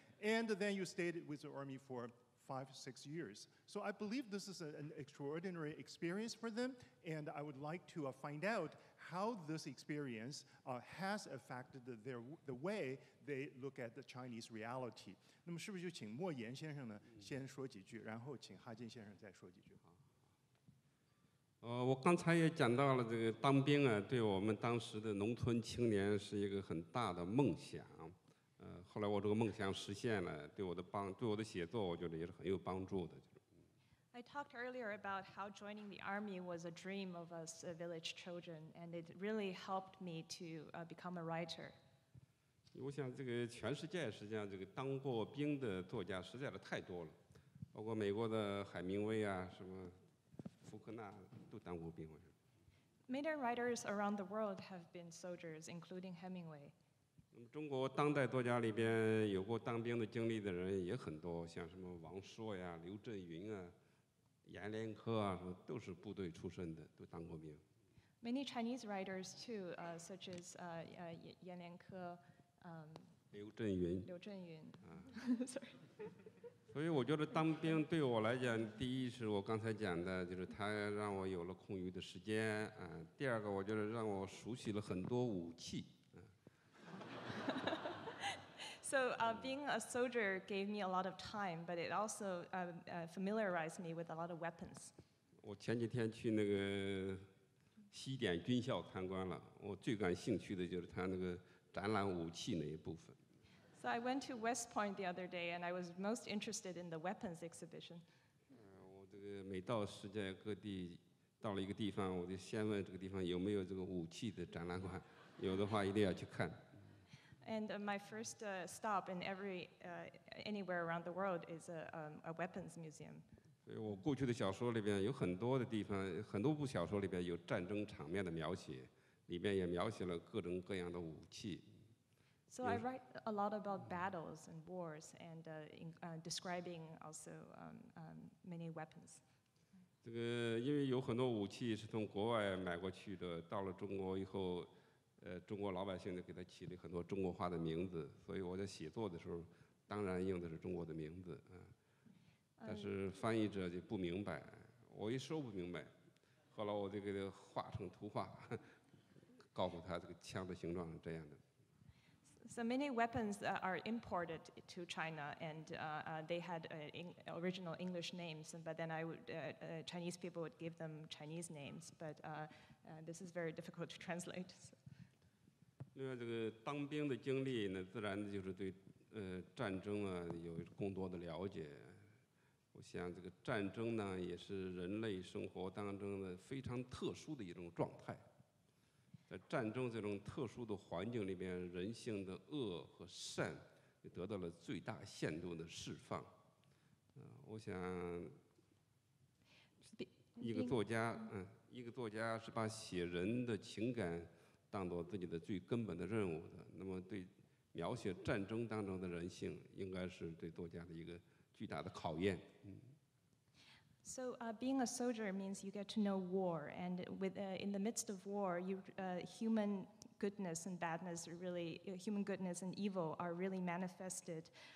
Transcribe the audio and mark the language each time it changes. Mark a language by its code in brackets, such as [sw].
[en] And then you stayed with the army for 5-6 years. So I believe this is an extraordinary experience for them, and I would like to find out how this experience has affected the way they look at the Chinese reality. [zh] 那么是不是就请莫言先生呢先说几句，然后请哈金先生再说几句。我刚才也讲到了这个当兵啊，对我们当时的农村青年是一个很大的梦想。后来我这个梦想实现了，对我的写作，我觉得也是很有帮助的。 [en] I talked earlier about how joining the army was a dream of us village children, and it really helped me to become a writer. [zh] 我想这个全世界实际上这个当过兵的作家实在是太多了，包括美国的海明威啊，什么福克纳都当过兵。 [en] Many writers around the world have been soldiers, including Hemingway. [zh] 中国当代作家里边有过当兵的经历的人也很多，像什么王朔呀、刘震云啊、阎连科啊，什么都是部队出身的，都当过兵。 [en] Many Chinese writers too, such as 阎连科、 [zh] 刘震云。 [en] Sorry. [zh] 所以我觉得当兵对我来讲，第一是我刚才讲的，就是他让我有了空余的时间啊。第二个，我觉得让我熟悉了很多武器。 [en] So being a soldier gave me a lot of time, but it also familiarized me with a lot of weapons. [zh] 我前几天去那个西点军校参观了，我最感兴趣的就是他那个展览武器那一部分。 [en] So I went to West Point the other day, and I was most interested in the weapons exhibition. [zh] 我这个每到世界各地到了一个地方，我就先问这个地方有没有这个武器的展览馆，有的话一定要去看。 [en] And my first stop in anywhere around the world is a weapons museum. [zh] 所以我过去的小说里边有很多的地方，很多部小说里边有战争场面的描写，里面也描写了各种各样的武器。 [en] So I write a lot about battles and wars and describing also many weapons. [zh] 这个因为有很多武器是从国外买过去的，到了中国以后。中国老百姓给他起了很多中国话的名字，所以我在写作的时候当然用的是中国的名字，但是翻译者就不明白，我一说不明白，后来我就给他画成图画，告诉他这个枪的形状是这样的。 [en] So many weapons are imported to China, and they had original English names, but then Chinese people would give them Chinese names, but this is very difficult to translate. So. [zh] 另外，这个当兵的经历呢，自然就是对战争啊有更多的了解。我想，这个战争呢，也是人类生活当中的非常特殊的一种状态。在战争这种特殊的环境里面，人性的恶和善也得到了最大限度的释放。我想，一个作家是把写人的情感。当做自己的最根本的任务的，那么对描写战争当中的人性，应该是对作家的一个巨大的考验。 [en] So being a soldier means you get to know war, and in the midst of war, human goodness and badness, really human goodness and evil, are really manifested.